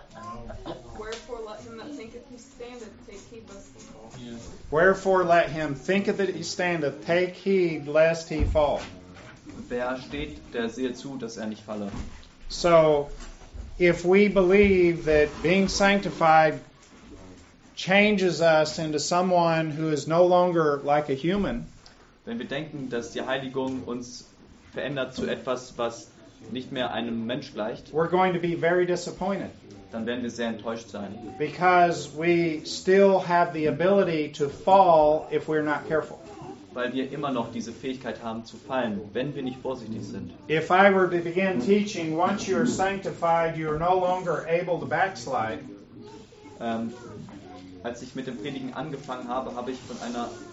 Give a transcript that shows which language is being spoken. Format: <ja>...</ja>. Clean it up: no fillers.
<en>Wherefore let him that thinketh he standeth take heed lest he fall. Yes. Wherefore let him thinketh that he standeth take heed lest he fall.</en> <de>Wer steht, der sehe zu, dass er nicht falle.</de> <en>So, if we believe that being sanctified changes us into someone who is no longer like a human.</en> <de>Wenn wir denken, dass die Heiligung uns verändert zu etwas, was nicht mehr einem Mensch gleicht,</de> <en>we're going to be very disappointed.</en> <de>Dann werden wir sehr enttäuscht sein.</de> <en>Because we still have the ability to fall if we're not careful.</en> <de>Weil wir immer noch diese Fähigkeit haben zu fallen, wenn wir nicht vorsichtig sind.</de> <en>If I were to begin teaching, once you are sanctified, you are no longer able to backslide.</en> <de>Als ich mit dem Predigen angefangen habe, habe ich von einer.</de>